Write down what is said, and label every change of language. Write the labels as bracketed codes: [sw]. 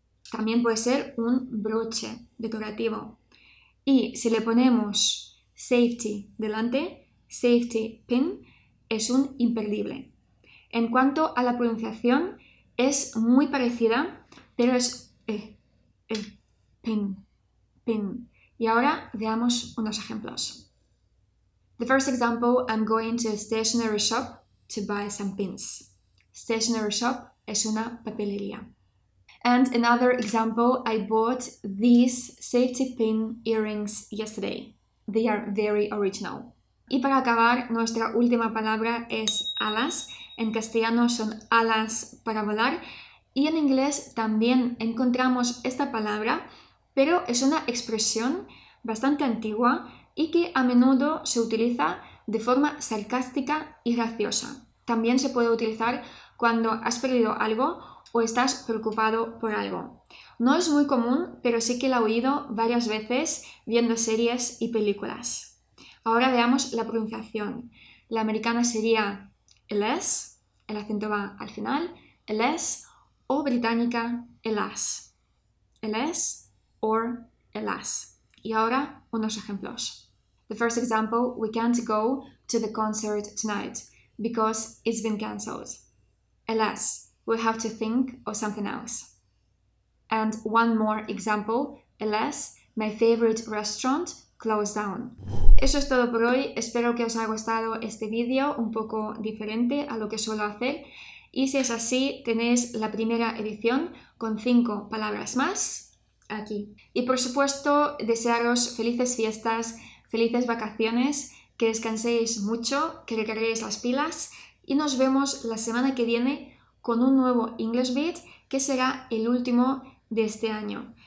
[es] También puede ser un broche decorativo. Y si le ponemos safety delante, safety pin, es un imperdible. En cuanto a la pronunciación, es muy parecida, pero es pin, pin. Y ahora veamos unos ejemplos. [en] The first example, I'm going to a stationery shop to buy some pins. Stationery shop [es] es una papelería. [en] And another example, I bought these safety pin earrings yesterday. They are very original. [es] Y para acabar, nuestra última palabra es alas. En castellano son alas para volar. Y en inglés también encontramos esta palabra, pero es una expresión bastante antigua y que a menudo se utiliza de forma sarcástica y graciosa. También se puede utilizar cuando has perdido algo o estás preocupado por algo. No es muy común, pero sí que la he oído varias veces viendo series y películas. Ahora veamos la pronunciación. La americana sería less, el acento va al final, less, o británica elas, elas or elas. Y ahora unos ejemplos. [en] The first example, we can't go to the concert tonight because it's been cancelled. Elas, we'll have to think of something else. And one more example, elas, my favorite restaurant closed down. [es] Eso es todo por hoy. Espero que os haya gustado este vídeo, un poco diferente a lo que suelo hacer. Y si es así, tenéis la primera edición con 5 palabras más. aquí. Y por supuesto, desearos felices fiestas, felices vacaciones, que descanséis mucho, que recarguéis las pilas y nos vemos la semana que viene con un nuevo English Beat que será el último de este año.